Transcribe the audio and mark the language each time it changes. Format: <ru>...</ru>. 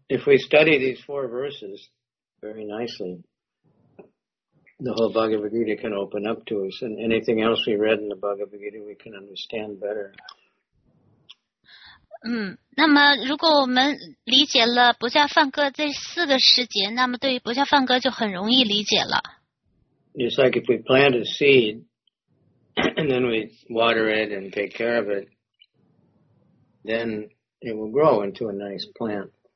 <en>if we study these four verses very nicely, the whole Bhagavad Gita can open up to us, and anything else we read in the Bhagavad Gita we can understand better.</en> <zh>那么如果我们理解了不加梵歌这四个时节，那么对于不加梵歌就很容易理解了。</zh> <en>It's like if we plant a seed and then we water it and take care of it, then it will grow into a nice plant.</en>